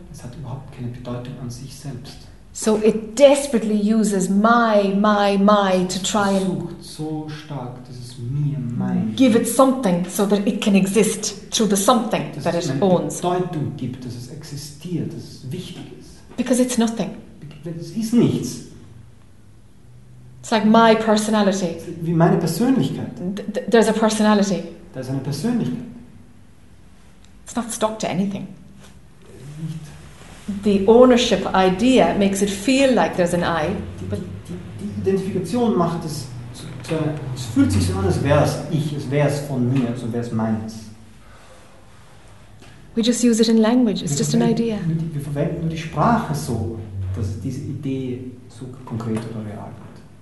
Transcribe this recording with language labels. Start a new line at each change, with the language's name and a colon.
German: Es hat überhaupt keine Bedeutung an sich selbst.
English: So it desperately uses my to try and
German: sucht so stark, das ist mir, mein.
English: Give it something so that it can exist through the something
German: dass
English: that it
German: eine
English: owns.
German: Bedeutung gibt, dass es existiert, dass es wichtig ist.
English: Because it's nothing.
German: Es ist nichts.
English: It's like my personality.
German: Wie meine Persönlichkeit.
English: There's a personality.
German: Da ist eine Persönlichkeit.
English: It's not stuck to anything.
German: Nicht.
English: The ownership idea makes it feel like there's an I.
German: Die Identifikation macht es zu einer, es fühlt sich so an, als wäre es ich, als wäre es von mir, als wäre es meines.
English: We just use it in language. It's just an idea.
German: Wir verwenden nur die Sprache so, dass diese Idee so konkret oder real wird.